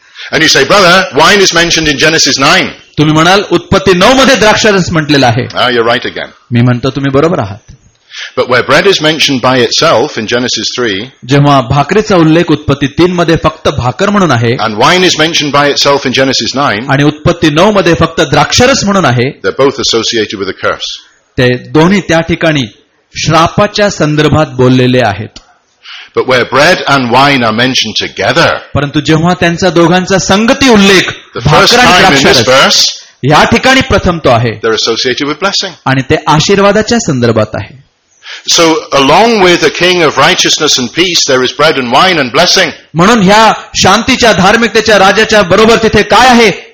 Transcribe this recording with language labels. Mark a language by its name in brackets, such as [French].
[English] And you say, brother, wine is mentioned in Genesis 9. [Marathi] तुम्ही म्हणाल उत्पत्ती 9 मध्ये द्राक्षारस म्हटलेला आहे. [English] Ah, you're right again. [Marathi] मी म्हणतो तुम्ही बरोबर आहात. [English] But where bread is mentioned by itself in Genesis 3, [Marathi] जेव्हा भाकरीचा उल्लेख उत्पत्ती 3 मध्ये फक्त भाकर म्हणून आहे, [English] and wine is mentioned by itself in Genesis 9, [Marathi] आणि उत्पत्ती 9 मध्ये फक्त द्राक्षारस म्हणून आहे, [English] they're both associated with a curse. [Marathi] ते दोन्ही त्या ठिकाणी श्रापाच्या संदर्भात बोललेले आहेत. [English] But where bread and wine are mentioned together, [Marathi] परंतु जेव्हा त्यांचा दोघांचा संगती उल्लेख भाकर आणि द्राक्षारस या ठिकाणी प्रथम तो आहे, [English] they're associated with blessing. [Marathi] आणि ते आशीर्वादाच्या संदर्भात आहे. [English] So along with a king of righteousness and peace, there is bread and wine and blessing. [Marathi] म्हणून ह्या शांतीच्या धार्मिकतेच्या राजाच्या बरोबर तिथे काय आहे?